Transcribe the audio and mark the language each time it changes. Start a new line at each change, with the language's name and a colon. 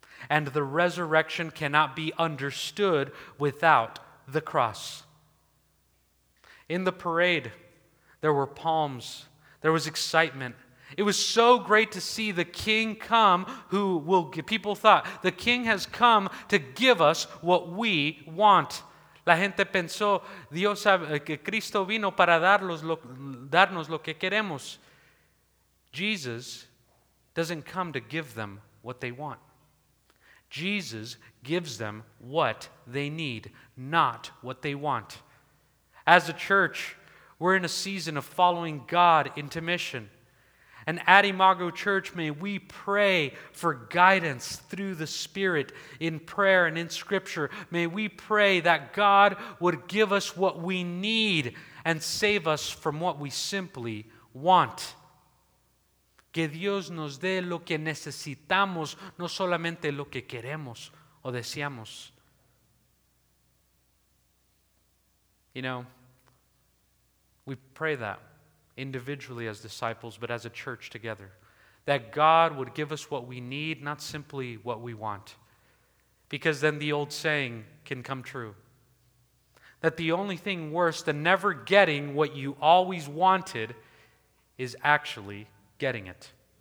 English: And the resurrection cannot be understood without the cross. In the parade, there were palms. There was excitement. It was so great to see the king come who will give. People thought, the king has come to give us what we want.
Spanish: La gente pensó, Dios sabe que Cristo vino para darnos lo que queremos.
English: Jesus doesn't come to give them what they want. Jesus gives them what they need, not what they want. As a church, we're in a season of following God into mission. And at Imago Church, may we pray for guidance through the Spirit in prayer and in Scripture. May we pray that God would give us what we need and save us from what we simply want.
Spanish: Que Dios nos dé lo que necesitamos, no solamente lo que queremos o deseamos.
English: You know, we pray that individually as disciples, but as a church together, that God would give us what we need, not simply what we want. Because then the old saying can come true, that the only thing worse than never getting what you always wanted is actually getting it.